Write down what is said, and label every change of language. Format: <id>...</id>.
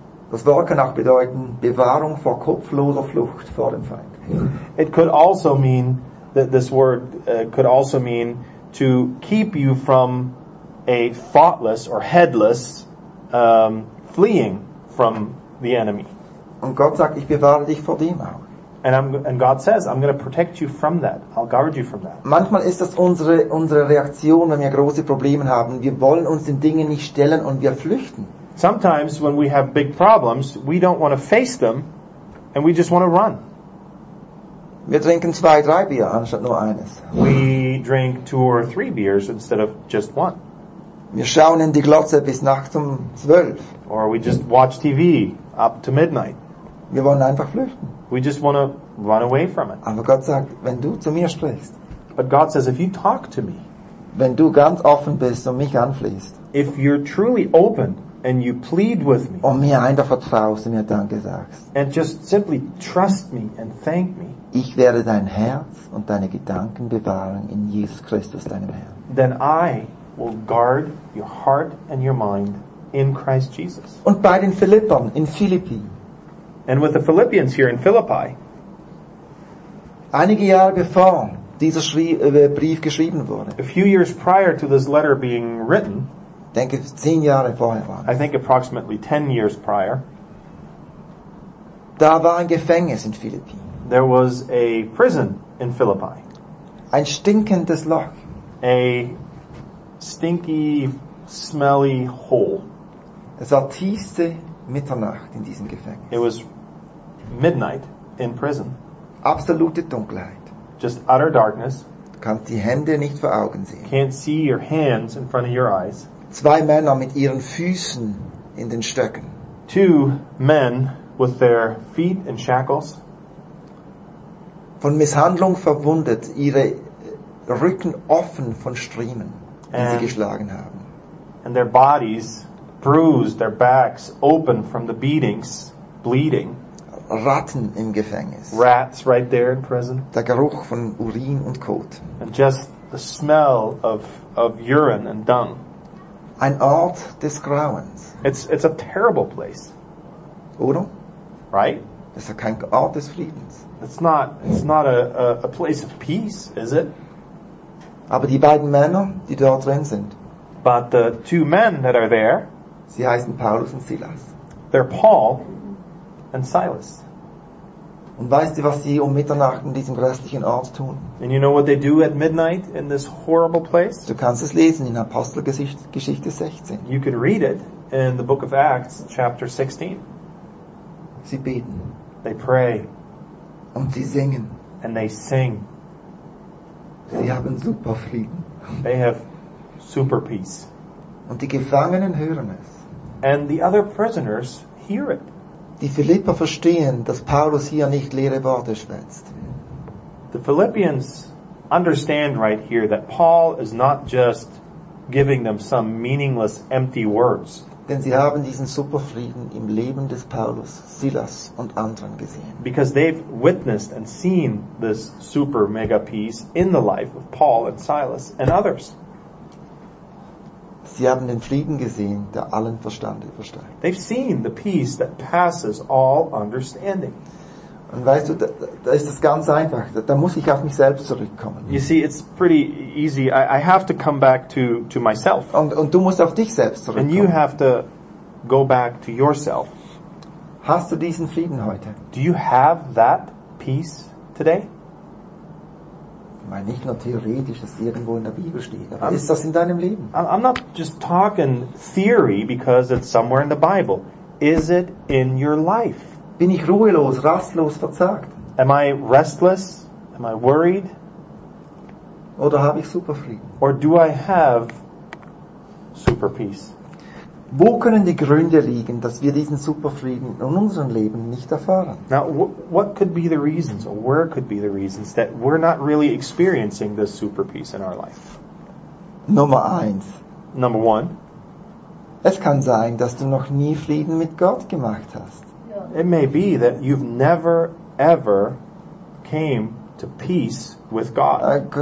<de>Das Wort kann auch bedeuten Bewahrung vor kopfloser Flucht vor dem Feind.</de> <en>It could also mean that this word could also mean to keep you from a thoughtless or headless fleeing from the enemy.</en> <de>Und Gott sagt, ich bewahre dich vor dem auch.</de> <en>And God says, I'm going to protect you from that. I'll guard you from that.</en> <de>Manchmal ist das unsere Reaktion, wenn wir große Probleme haben. Wir wollen uns den Dingen nicht stellen und wir flüchten.</de> <en>Sometimes when we have big problems, we don't want to face them and we just want to run.</en> <de>Wir trinken 2-3 Bier anstatt nur eines.</de> <en>We drink 2 or 3 beers instead of just one.</en> <de>Wir schauen in die Glotze bis nachts um 12.</de> <en>Or we just watch TV up to midnight.</en> <de>Wir wollen einfach flüchten.</de> <en>We just want to run away from it.</en> <de>Aber Gott sagt, wenn du zu mir sprichst.</de> <en>But God says, if you talk to me.</en> <de>Wenn du ganz offen bist und mich anfließt.</de> <en>If you're truly open and you plead with me.</en> <de>Und mir einfach vertraust und mir Danke sagst.</de> <en>And just simply trust me and thank me.</en> <de>Ich werde dein Herz und deine Gedanken bewahren in Jesus Christus, deinem Herrn.</de> <en>Then I will guard your heart and your mind in Christ Jesus.</en> <de>Und bei den Philippern in Philippi.</de> <en>And with the Philippians here in Philippi.</en> <de>Einige Jahre bevor dieser Brief geschrieben wurde.</de> <en>A few years prior to this letter being written.</en> <de>Denke 10 Jahre vorher war.</de> <en>I think approximately 10 years prior.</en> <de>Da war ein Gefängnis in Philippi.</de> <en>There was a prison in Philippi.</en> <de>Ein stinkendes Loch.</de> <en>A stinky, smelly hole.</en> <de>Es war tiefste Mitternacht in diesem Gefängnis.</de> <en>It was midnight in prison.</en> <de>Absolute Dunkelheit.</de> <en>Just utter darkness.</en> <de>Du kannst die Hände nicht vor Augen sehen.</de> <en>Can't see your hands in front of your eyes.</en> <de>2 Männer mit ihren Füßen in den Stöcken.</de> <en>2 men with their feet in shackles.</en> <de>Von Misshandlung verwundet, ihre Rücken offen von Striemen, die sie geschlagen haben.</de> <en>And their bodies bruised, their backs open from the beatings, bleeding.</en> <de>Ratten im Gefängnis.</de> <en>Rats right there in prison.</en> <de>Der Geruch von Urin und Kot.</de> <en>And just the smell of urine and dung.</en> <de>Ein Ort des Grauens.</de> <en>It's a terrible place.</en> <de>Oder?</de> <en>Right?</en> <de>Es ist kein Ort des Friedens.</de> <en>It's not a place of peace, is it?</en> <de>Aber die beiden Männer, die dort drin sind.</de> <en>But the 2 men that are there.</en> <de>Sie heißen Paulus und Silas.</de> <en>They're Paul and Silas.</en> <de>Und weißt du, was sie um Mitternacht in diesem grässlichen Ort tun?</de> <en>And you know what they do at midnight in this horrible place?</en> <de>Du kannst es lesen in Apostelgeschichte 16.</de> <en>You can read it in the book of Acts, chapter 16.</en> <de>Sie beten.</de> <en>They pray.</en> <de>Und sie singen.</de> <en>And they sing.</en> <de>Sie haben super Frieden.</de> <en>They have super peace.</en> <de>Und die Gefangenen hören es.</de> <en>And the other prisoners hear it.</en> <de>Die Philipper verstehen, dass Paulus hier nicht leere Worte schwätzt.</de> <en>The Philippians understand right here that Paul is not just giving them some meaningless empty words.</en> <de>Denn sie haben diesen Superfrieden im Leben des Paulus, Silas und anderen gesehen.</de> <en>Because they've witnessed and seen this super mega peace in the life of Paul and Silas and others.</en> <de>Sie haben den Frieden gesehen, der allen Verstand übersteigt.</de> <en>They've seen the peace that passes all understanding.</en> <de>Und weißt du, da ist das ganz einfach. Da muss ich auf mich selbst zurückkommen.</de> <en>You see, it's pretty easy. I have to come back to myself.</en> <de>Und du musst auf dich selbst zurückkommen.</de> <en>And you have to go back to yourself.</en> <de>Hast du diesen Frieden heute?</de> <en>Do you have that peace today?</en> <de>Ich meine nicht nur theoretisch, dass irgendwo in der Bibel steht, aber ist das in deinem Leben?</de> <en>I'm not just talking theory because it's somewhere in the Bible. Is it in your life?</en> <de>Bin ich ruhelos, rastlos, verzagt?</de> <en>Am I restless? Am I worried?</en> <de>Oder habe ich Superfrieden?</de> <en>Or do I have super peace?</en> <de>Wo können die Gründe liegen, dass wir diesen Superfrieden in unserem Leben nicht erfahren?</de> <en>Now, what could be the reasons, or where could be the reasons that we're not really experiencing this super peace in our life?</en> <de>Nummer eins.</de> <en>Number one.</en> <de>Es kann sein, dass du noch nie Frieden mit Gott gemacht hast.</de> <en>It may be that you've never ever came to peace with God.</en>